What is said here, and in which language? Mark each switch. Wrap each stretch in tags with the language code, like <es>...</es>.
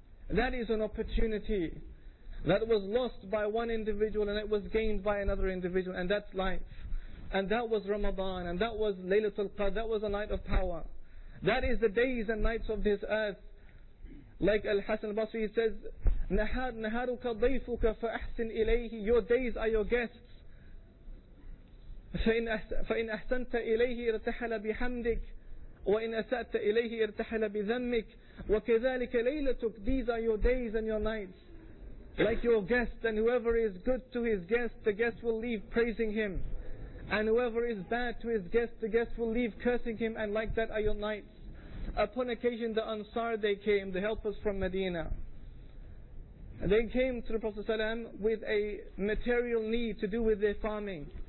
<en>That is an opportunity that was lost by one individual and it was gained by another individual, and that's life. And that was Ramadan, and that was Laylatul Qadr, that was a night of power. That is the days and nights of this earth. Like Al-Hasan al-Basri says,</en> <ar>نَهَارُكَ ضَيْفُكَ فَأَحْسِنْ إِلَيْهِ,</ar> <en>your days are your guests.</en> <ar>فَإِنْ أَحْسَنْتَ إِلَيْهِ إِرْتَحَلَ بِحَمْدِكَ وَإِنْ أَسَأْتَ إِلَيْهِ إِرْتَحَلَ بِذَمِّكَ وَكَذَلِكَ لَيْلَتُكَ,</ar> <en>these are your days and your nights. Like your guest, and whoever is good to his guest, the guest will leave praising him. And whoever is bad to his guest, the guest will leave cursing him. And like that are your nights. Upon occasion the Ansar, they came, the helpers from Medina. And they came to the Prophet ﷺ with a material need to do with their farming.</en>